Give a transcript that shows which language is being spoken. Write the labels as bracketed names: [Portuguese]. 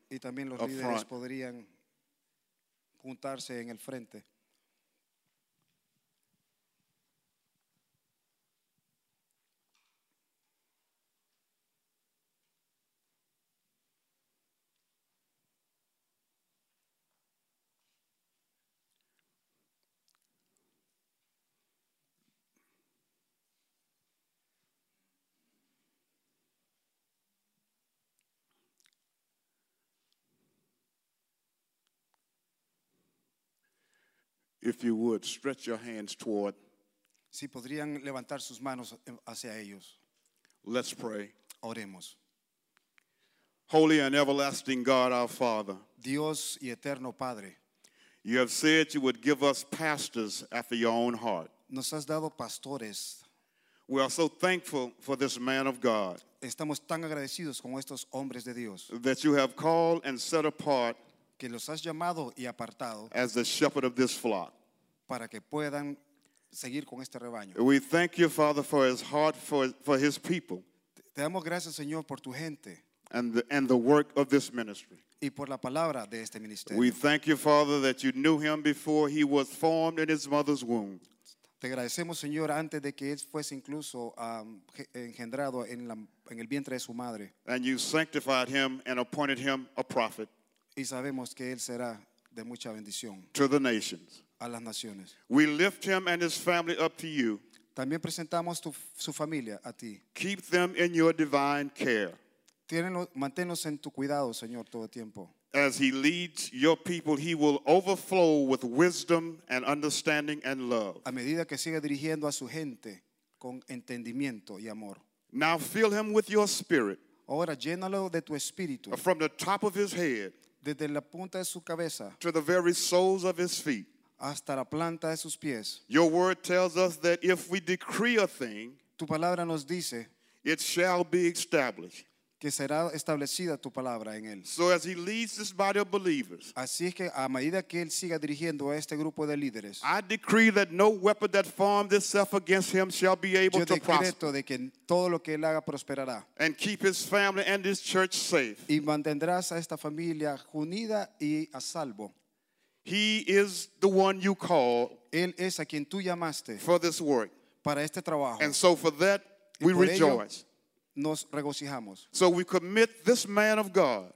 [Spanish] Y también los líderes podrían juntarse en el frente. [English] If you would stretch your hands toward, [Spanish] si podrían levantar sus manos hacia ellos. [English] Let's pray. [Spanish] Oremos. [English] Holy and everlasting God, our Father. [Spanish] Dios y eterno Padre. [English] You have said you would give us pastors after your own heart. [Spanish] Nos has dado pastores. [English] We are so thankful for this man of God. [Spanish] Estamos tan agradecidos con estos hombres de Dios. [English] That you have called and set apart, [Spanish] que los has llamado y apartado, [English] as the shepherd of this flock, [Spanish] para que puedan seguir con este rebaño. [English] We thank you, Father, for his heart for his people. [Spanish] Te damos gracias, Señor, por tu gente. [English] And the work of this ministry. [Spanish] Y por la palabra de este ministerio. [English] We thank you, Father, that you knew him before he was formed in his mother's womb. [Spanish] Te agradecemos, Señor, antes de que él fuese incluso engendrado en el vientre de su madre. [English] And you sanctified him and appointed him a prophet. [Spanish] Y sabemos que él será de mucha bendición [English] to the nations. [Spanish] A las naciones. [English] We lift him and his family up to you. [Spanish] También presentamos su familia a ti. [English] Keep them in your divine care. [Spanish] Manténlos en tu cuidado, Señor, todo el tiempo. [English] As he leads your people, he will overflow with wisdom and understanding and love. [Spanish] A medida que siga dirigiendo a su gente con entendimiento y amor. [English] Now fill him with your spirit. [Spanish] Ahora llénalo de tu espíritu. [English] From the top of his head, [Spanish] desde la punta de su cabeza, [English] to the very soles of his feet, [Spanish] hasta la planta de sus pies. [English] Your word tells us that if we decree a thing, [Spanish] tu palabra nos dice, [English] it shall be established, [Spanish] que será establecida tu palabra en él. [English] So as he leads this body of believers, [Spanish] así es que a medida que él siga dirigiendo a este grupo de líderes, [English] I decree that no weapon that formed itself against him shall be able to prosper. [Spanish] Yo decreto de que todo lo que él haga prosperará. [English] And keep his family and his church safe. [Spanish] Y mantendrás a esta familia unida y a salvo. [English] He is the one you call. [Spanish] Él es a quien tú llamaste. [English] For this work. [Spanish] Para este trabajo. [English] And so for that we rejoice. [Spanish] Nos regocijamos. [English] So we commit this man of God,